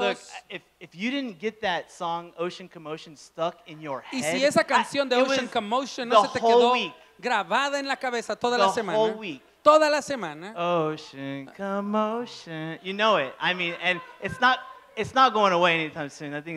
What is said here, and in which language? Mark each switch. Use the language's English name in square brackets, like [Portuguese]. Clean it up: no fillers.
[English] Look, if you didn't get that song Ocean Commotion stuck in your head. [Spanish] Y si esa canción de Ocean Commotion no se te quedó grabada en la cabeza toda la semana. [English] The whole week. [Spanish] Toda la semana. [English] Ocean Commotion. You know it. I mean, and it's not going away anytime soon. I think